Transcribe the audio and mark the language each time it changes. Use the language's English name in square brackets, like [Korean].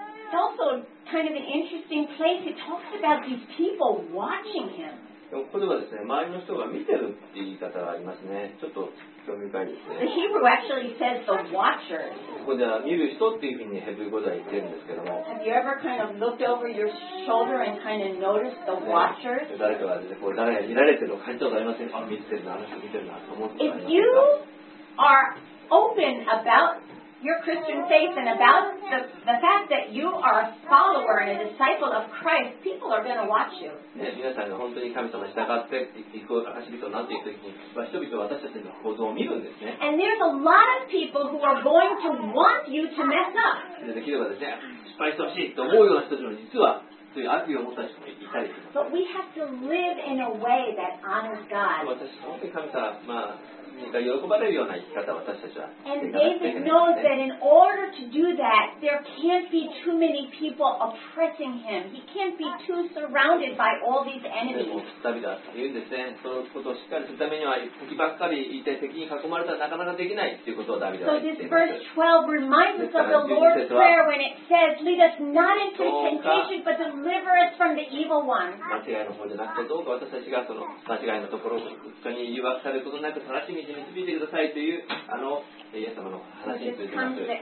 [English] It's also kind of an interesting place. It talks about these people watching him. [Japanese] ここではですね、周りの人が見てるっていう言い方がありますね。ちょっと興味深いですね。 [English] The Hebrew actually says the watchers. [Japanese] ここでは見る人っていうふうにヘブル語では言ってるんですけども。 [English] Have you ever kind of looked over your shoulder and kind of noticed the watchers? [Japanese] 誰かがですね、こう誰が見られてるのか感じたことありません。あ、見てるな、あの人見てるなと思って [English] た。If you are open aboutYour Christian faith and about the fact that you are a follower and a disciple of Christ, people are going to watch you. [Japanese] ね、皆さんが本当に神様に従って行く証人になっていくときに、人々は私たちの行動を見るんですね。 [English] And there's a lot of people who are going to want you to mess up. [Japanese] できればですね、失敗してほしいと思うような人たちも実は、そういう悪意を持った人もいたり。 [English] But we have to live in a way that honors God. [Japanese] 私、本当に神様、まあ、が喜ばれるような生き方を私たちは。 [English] And David knows that in order to do that, there can't be too many people oppressing him. He can't be too surrounded by all these enemies. [Japanese] でも、ダビデは言うんですね。そのことをしっかりするためには、敵ばっかりいて敵に囲まれたらなかなかできないということをダビデは言っています。 [English] So this verse 12 reminds us of the Lord's prayer when it says, "Lead us not into temptation, but deliver us from the evil one." [Japanese] 間違いの方じゃなくて、どうか私たちがその間違いのところを人に誘惑されることなく正しい導いてくださいというあのイエス様の話についてます。